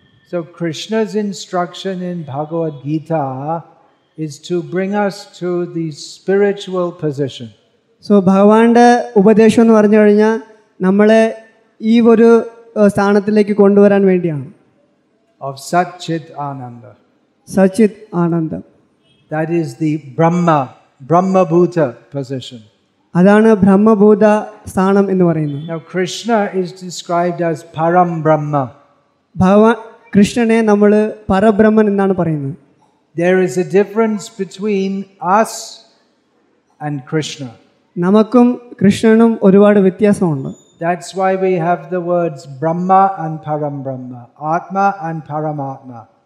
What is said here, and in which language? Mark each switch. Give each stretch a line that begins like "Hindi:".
English: So Krishna's instruction in Bhagavad Gita is to bring us to the spiritual position.
Malayalam: So ഭഗവാന്റെ ഉപദേശം എന്ന് പറഞ്ഞു കഴിഞ്ഞാൽ നമ്മളെ ഈ ഒരു സ്ഥാനത്തിലേക്ക് കൊണ്ടുവരാൻ വേണ്ടിയാണ്.
English: Of Satchit Ananda.
Sanskrit: Satchit Ananda.
English: That is the Brahmabhuta position.
Malayalam: അതാണ് ബ്രഹ്മഭൂത സ്ഥാനം എന്ന് പറയുന്നത്.
English: Now Krishna is described as Param Brahma.
Malayalam: ഭഗവാൻ കൃഷ്ണനെ നമ്മൾ പരബ്രഹ്മൻ എന്നാണ് പറയുന്നത്.
English: There is a difference between us and Krishna.
Malayalam: നമുക്കും കൃഷ്ണനും ഒരുപാട് വ്യത്യാസമുണ്ട്.
English: That's why we have the words Brahma and Parambrahma, Atma and Paramatma.